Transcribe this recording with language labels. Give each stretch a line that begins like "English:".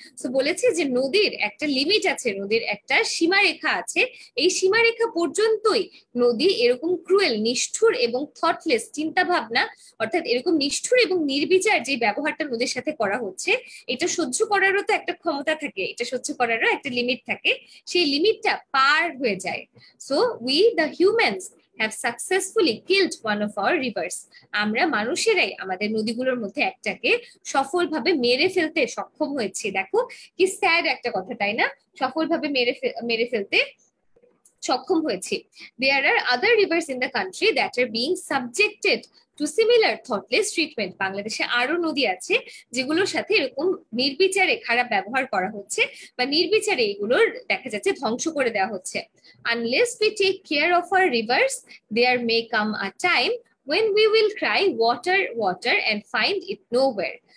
Bangla: So বলেছে যে নদীর একটা লিমিট আছে, নদীর একটা সীমারেখা আছে, এই সীমারেখা পর্যন্তই নদী এরকম ক্রুয়েল, নিষ্ঠুর এবং থটলেস চিন্তা ভাবনা, অর্থাৎ এরকম নিষ্ঠুর এবং নির্বিচার যে ব্যবহারটা নদীর সাথে করা হচ্ছে, এটা সহ্য করারও তো একটা ক্ষমতা থাকে, এটা সহ্য করারও একটা লিমিট থাকে, সেই লিমিটটা পার হয়ে যায়। So
English: We the humans have successfully killed one of our rivers.
Bangla: আমরা মানুষেরাই আমাদের নদীগুলোর মধ্যে একটাকে সফলভাবে মেরে ফেলতে সক্ষম হয়েছে। দেখো কি স্যাড একটা কথা, তাই না, সফলভাবে মেরে ফেলতে সক্ষম হয়েছে।
English: There are other rivers in the country that are being subjected to similar thoughtless treatment.
Bangla: বাংলাদেশে আরো নদী আছে যেগুলোর সাথে এরকম নির্বিচারে খারাপ ব্যবহার করা হচ্ছে, বা নির্বিচারে এগুলোর দেখা যাচ্ছে ধ্বংস করে দেওয়া হচ্ছে।
English: Unless we take care of our rivers, there may come a time when we will cry water, water and find it nowhere.